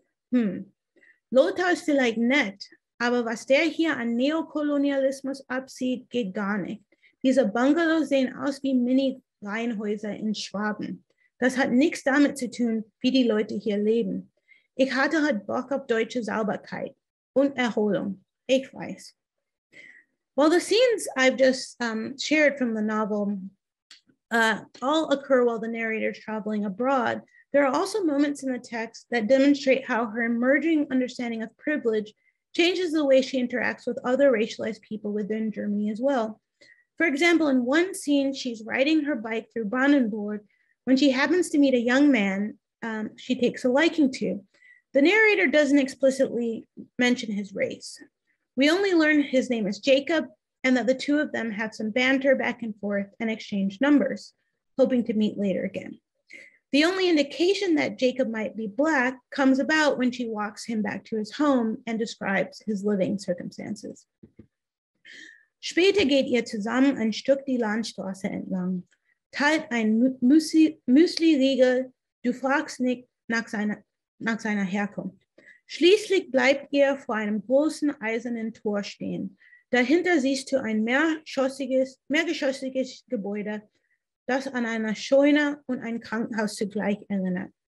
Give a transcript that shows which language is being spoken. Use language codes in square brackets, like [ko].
[de] Hm, Lothar ist vielleicht nett, aber was der hier an Neokolonialismus absieht, geht gar nicht. Diese Bungalows sehen aus wie Mini-Reihenhäuser in Schwaben. Das hat nichts damit zu tun, wie die Leute hier leben. Ich hatte halt Bock auf deutsche Sauberkeit und Erholung. Ich weiß. [en] Well, the scenes I've just shared from the novel all occur while the narrator is traveling abroad. There are also moments in the text that demonstrate how her emerging understanding of privilege changes the way she interacts with other racialized people within Germany as well. For example, in one scene, she's riding her bike through Brandenburg when she happens to meet a young man she takes a liking to. The narrator doesn't explicitly mention his race. We only learn his name is Jacob and that the two of them have some banter back and forth and exchange numbers, hoping to meet later again. The only indication that Jacob might be Black comes about when she walks him back to his home and describes his living circumstances. [de] Später geht ihr zusammen ein Stück die Landstraße entlang, teilt ein Müsli-Riegel, du fragst nicht nach seiner Herkunft. Schließlich bleibt ihr vor einem großen eisernen Tor stehen. Dahinter siehst du ein mehrgeschossiges Gebäude, das an eine Scheune und ein Krankenhaus zugleich erinnert.